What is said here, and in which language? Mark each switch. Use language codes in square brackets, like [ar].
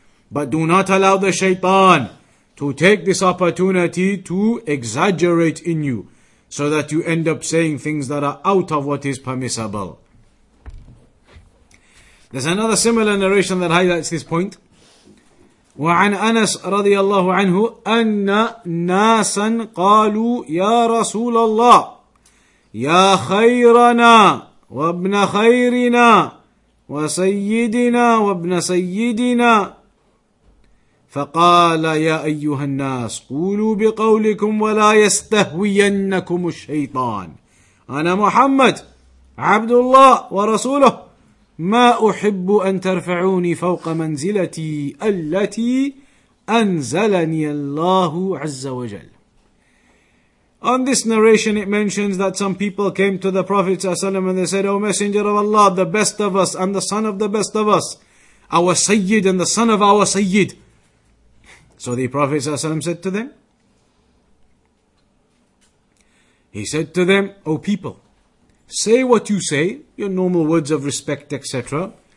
[en] But do not allow the shaitan to take this opportunity to exaggerate in you, so that you end up saying things that are out of what is permissible. There's another similar narration that highlights this point. [ar] وعن أنس رضي الله عنه أن ناسا قالوا يا رسول الله يا خيرنا وابن خيرنا وسيدنا وابن سيدنا فقال يا أيها الناس قولوا بقولكم ولا يستهوينكم الشيطان أنا محمد عبد الله ورسوله ما أحب أن ترفعوني فوق منزلتي التي أنزلني الله عز وجل. [en] On this narration it mentions that some people came to the Prophet ﷺ and they said, O Messenger of Allah, the best of us and the son of the best of us, our Sayyid and the son of our Sayyid. So the Prophet ﷺ said to them, he said to them, O people, say what you say, your normal words of respect, etc.